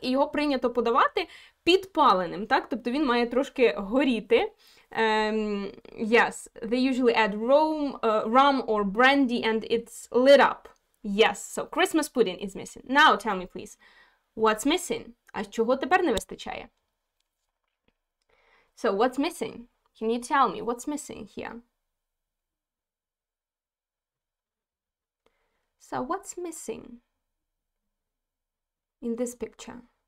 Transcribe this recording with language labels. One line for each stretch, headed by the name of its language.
Ukrainian: І його прийнято подавати підпаленим, так? Тобто він має трошки горіти.
English: Yes, they usually add rum or brandy and it's lit up. Yes, so Christmas pudding is missing. Now tell me, please, what's missing?
Ukrainian: А чого тепер не вистачає?
English: So what's missing? Can you tell me what's missing here? So what's missing in this picture?